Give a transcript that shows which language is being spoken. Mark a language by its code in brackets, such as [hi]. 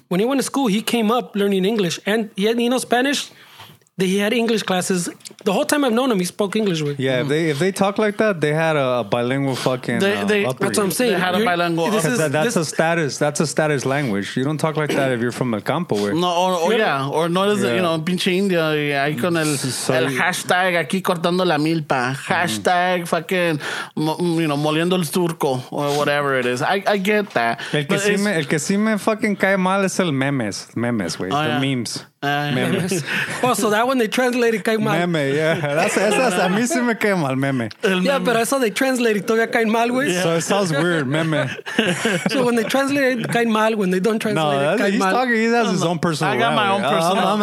[en] When he went to school, he came up learning English. And he had, you know, Spanish. He had English classes. The whole time I've known him, he spoke English with. Yeah, if they talk like that, they had a bilingual fucking. That's what I'm saying. They had a bilingual. That's a status language. You don't talk like that if you're from [es] el campo. [en] Where. No, you know, [es] pinche India. Ahí con el hashtag aquí cortando la milpa. [en] Hashtag fucking, you know, [es] moliendo el surco [en] or whatever it is. I get that. [es] El que sí me fucking cae mal es el memes. [en] Memes, güey. Oh, the memes. Memes. Oh, so that one they translated [es] cae mal. Meme, yeah. [en] That's a [es] mí sí me cae mal, meme. Yeah, pero eso [en] they translated [es] todavía cae mal, güey. [en] So it sounds weird, meme. So when they translate it [es] cae mal, [en] when they don't translate it cae mal. Talking, he has his own personal. I got my own personal.